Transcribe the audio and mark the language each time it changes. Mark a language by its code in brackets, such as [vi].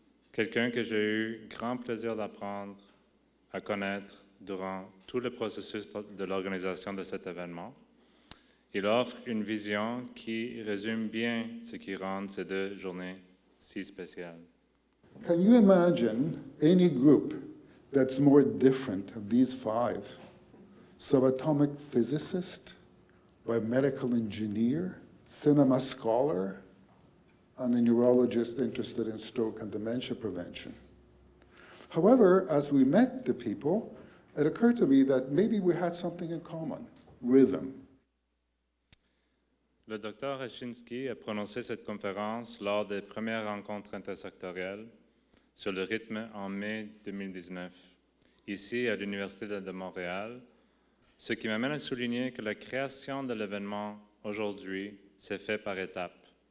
[fr] Quelqu'un que j'ai eu grand plaisir d'apprendre à connaître durant tout le processus de l'organisation de cet événement. Il offre une vision qui résume bien ce qui rend ces deux journées si spéciales. [en] Can you imagine any group that's more different than these five? Subatomic physicist, biomedical engineer, cinema scholar, and a neurologist interested in stroke and dementia prevention. However, as we met the people, it occurred to me that maybe we had something in common, rhythm. [fr] Le docteur Hachinsky a prononcé cette conférence lors des premières rencontres intersectorielles sur le rythme en mai 2019, ici à l'Université de Montréal, ce qui m'amène à souligner que la création de l'événement aujourd'hui s'est faite par étapes.